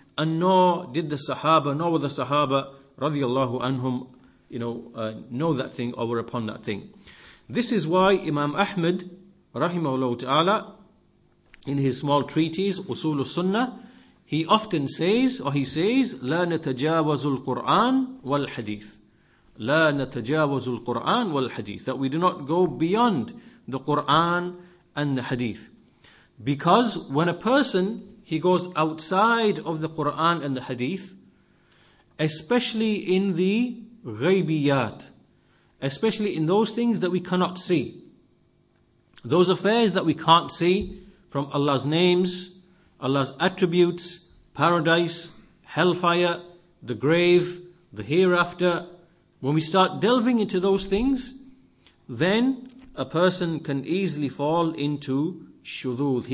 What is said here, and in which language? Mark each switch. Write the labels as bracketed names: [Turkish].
[English] And nor did the Sahaba, nor were the Sahaba radiallahu anhum, know that thing or were upon that thing. This is why Imam Ahmad, rahimahullah ta'ala, in his small treatise, Usul al-Sunnah, he often says, or he says, [Arabic] لا نتجاوز القرآن والحديث. لا نتجاوز القرآن والحديث. [English] That we do not go beyond the Quran and the Hadith. Because when a person, he goes outside of the Quran and the Hadith, especially in the غيبيات, especially in those things that we cannot see, those affairs that we can't see, from Allah's names, Allah's attributes, paradise, hellfire, the grave, the hereafter, when we start delving into those things, then a person can easily fall into shudud.